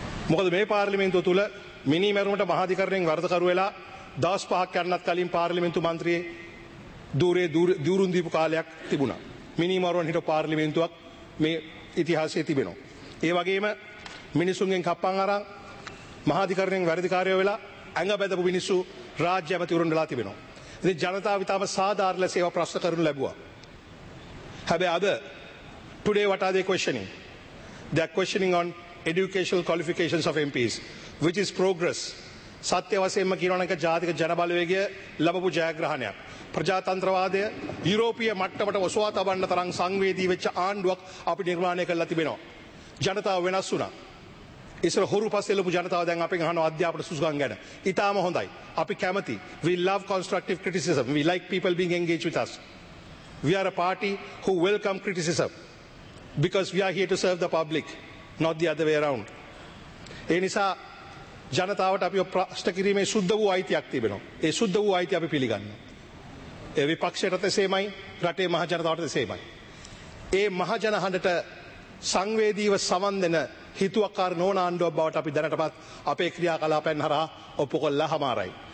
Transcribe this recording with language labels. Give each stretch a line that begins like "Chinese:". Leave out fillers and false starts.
Sinhala: මොකද මේ පාර්ලිමේන්තුව තුළ මිනී මැරුමට මහාධිකරණයෙන් වරදකරු වෙලා දවස් පහක් යන්නත් කලින් පාර්ලිමේන්තු මන්ත්‍රී දූරේ දූරුන් දීපු කාලයක් තිබුණා. මිනී මරුවන් හිටපු පාර්ලිමේන්තුවක් මේ ඉතිහාසයේ තිබෙනවා. ඒ වගේම මිනිසුන්ගෙන් කප්පන් අරන් මහාධිකරණයෙන් වැරදිකාරයෝ වෙලා ඇඟ බැදපු මිනිස්සු රාජ්‍ය ඇමතිවරුන්ලා තිබෙනවා. ඉතින් ජනතාව ඉතාම සාධාරණ ලෙස ඒවා ප්‍රශ්න කරනු ලැබුවා. හැබැයි අද
English: today what are they questioning? They are questioning on educational qualifications of MPs, which is progress.
Sinhala: සත්‍ය වශයෙන්ම කියනවා නම් ඒක ජාතික ජනබලවේගය ලැබපු ජයග්‍රහණයක්. ප්‍රජාතන්ත්‍රවාදය යුරෝපීය මට්ටමට ඔසවා තබන්න තරම් සංවේදී වෙච්ච ආණ්ඩුවක් අපි නිර්මාණය කරලා තිබෙනවා. ජනතාව වෙනස් වුණා. ඉස්සර හොරු පස්සේ ලොකු ජනතාව දැන් අපෙන් අහන අධ්‍යාපන සුසුකම් ගැන. ඉතාම හොඳයි. අපි කැමති.
English: We love constructive criticism. We like people being engaged with us. We are a party who welcome criticism because we are here to serve the public, not the other way around.
Sinhala: ඒ නිසා ජනතාවට අපි ප්‍රශ්න කිරීමේ සුද්ධ වූ අයිතියක් තිබෙනවා. ඒ සුද්ධ වූ අයිතිය අපි පිළිගන්නවා. ඒ විපක්ෂයටත් එසේමයි රටේ මහ ජනතාවටත් එසේමයි. ඒ මහ ජන හඬට සංවේදීව සවන් දෙන හිතුවක්කාර නොවන ආණ්ඩුවක් බවට අපි දැනටමත් අපේ ක්‍රියාකලාපයන් හරහා ඔප්පු කළා හමාරයි.